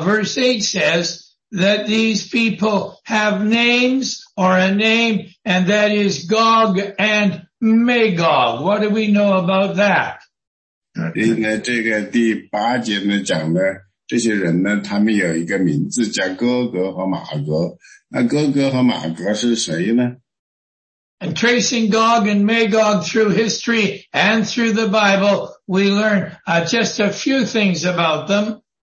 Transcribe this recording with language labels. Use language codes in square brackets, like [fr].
[en] verse 8 says that these people have names or a name, and that is Gog and Magog. What do we know about that? [zh] 这个第八节呢讲的，这些人呢，他们有一个名字叫哥哥和马格。那哥哥和马格是谁呢？ [en] And tracing Gog and Magog through history and through the Bible, we learn just a few things about them.